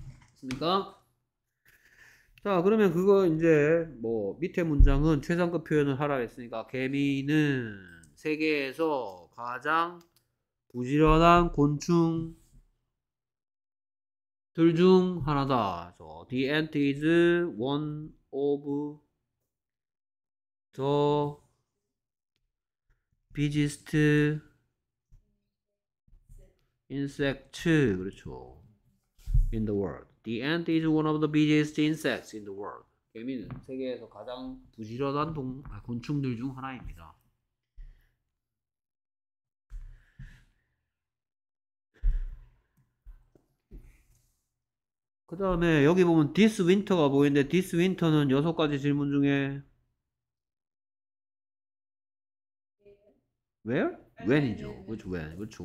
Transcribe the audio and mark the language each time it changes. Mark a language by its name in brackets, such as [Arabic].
[Korean] 맞습니까? 자, 그러면 그거 이제 뭐 밑에 문장은 최상급 표현을 하라 했으니까 개미는 세계에서 가장 부지런한 곤충 둘중 하나다. [English] So, the ant is one of the biggest insects, 그렇죠, in the world. The ant is one of the biggest insects in the world. [Korean] 개미는 세계에서 가장 부지런한 곤충들 중 하나입니다. 그 다음에 여기 보면 this winter가 보이는데 this winter는 여섯 가지 질문 중에 where? when이죠. 그렇죠. when. 그렇죠.